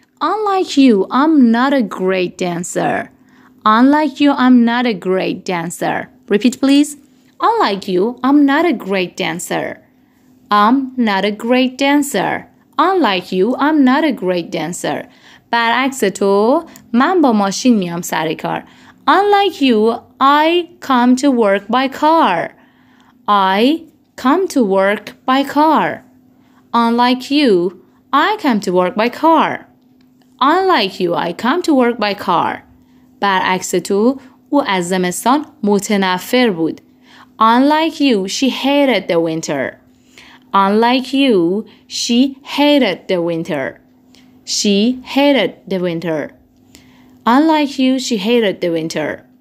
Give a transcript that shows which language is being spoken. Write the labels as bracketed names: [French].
[English] Unlike you, I'm not a great dancer. Unlike you, I'm not a great dancer. Repeat, please. Unlike you, I'm not a great dancer. I'm not a great dancer. Unlike you, I'm not a great dancer. [Persian] برعکس تو من با ماشین میام سر کار. [English] Unlike you, I come to work by car. I come to work by car. Unlike you, I come to work by car. Unlike you, I come to work by car. [Persian] برعکس تو او از زمستان متنفر بود. [English] Unlike you, she hated the winter. Unlike you, she hated the winter. She hated the winter. Unlike you, she hated the winter.